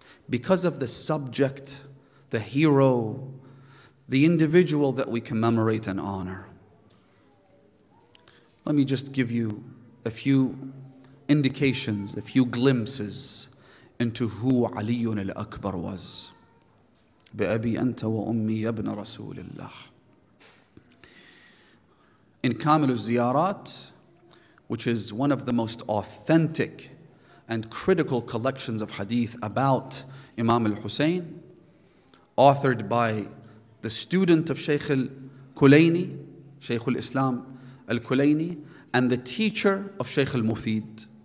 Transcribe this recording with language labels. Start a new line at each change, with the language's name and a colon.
English: Because of the subject, the hero, the individual that we commemorate and honor. Let me just give you a few indications, a few glimpses into who Ali al-Akbar was.
Arabic: بأبي أنت وأمي يا ابن رسول الله.
English: In Kamil al-Ziyarat, which is one of the most authentic and critical collections of hadith about Imam al-Husayn, authored by the student of Shaykh al-Kulayni, Shaykh al-Islam al-Kulayni, and the teacher of Shaykh al-Mufid.